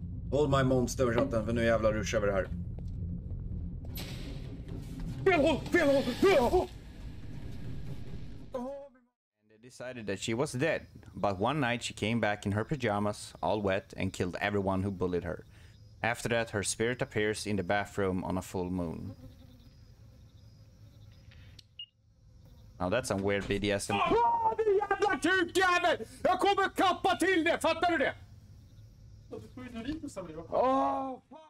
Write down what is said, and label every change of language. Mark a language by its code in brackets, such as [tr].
[en] Hold my monster, [sv] chatten, för nu jävlar rushar vi det här. [en] And they decided that she was dead, but one night she came back in her pajamas, all wet, and killed everyone who bullied her. After that, her spirit appears in the bathroom on a full moon. Now that's some weird BDSM. [sv] Din jävla tjukjävel! Jag kommer kappa till det, fattar du det? Oh,